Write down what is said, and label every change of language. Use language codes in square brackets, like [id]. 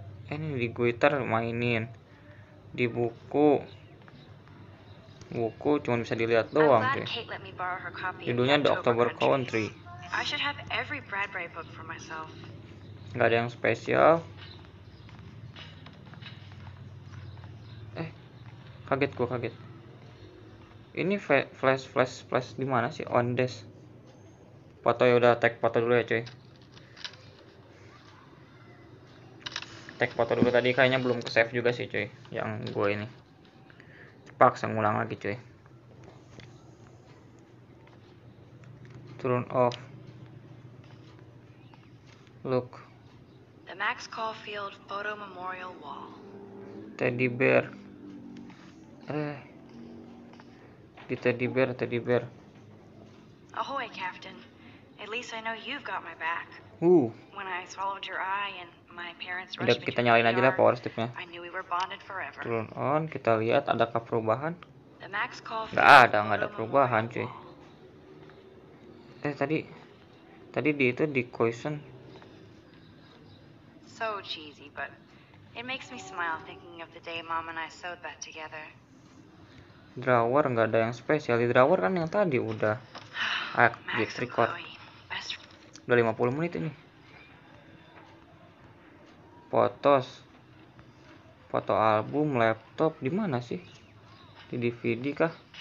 [id] Ini di guitar mainin. Di buku. Buku cuma bisa dilihat doang cuy. Judulnya The October Country. [en] I should have every Bradbury book for myself. [id] Gak ada yang spesial. Kaget. Ini flash di mana sih [en] on desk? [id] Foto ya udah tag foto dulu tadi kayaknya belum ke save juga sih cuy yang gue ini. Paksa ngulang lagi cuy. [en] Turn off. Look. The Max Caulfield photo memorial wall. Teddy bear. [id] Di teddy bear. [en] Ahoy, Captain. At least I know you've got my back. When I swallowed your eye and my parents rushed me. [id] Udah kita nyalain aja lah power strip-nya. [en] I knew we were bonded forever. [id] Turn on, kita lihat adakah perubahan? Enggak ada perubahan, cuy. Tadi di itu di cushion. [en] So cheesy, but it makes me smile thinking of the day Mom and I sewed that together. [id] Drawer enggak ada yang spesial. Di drawer kan yang tadi udah aktif record. Udah 50 menit ini. Foto album, laptop, di mana sih? Di DVD kah?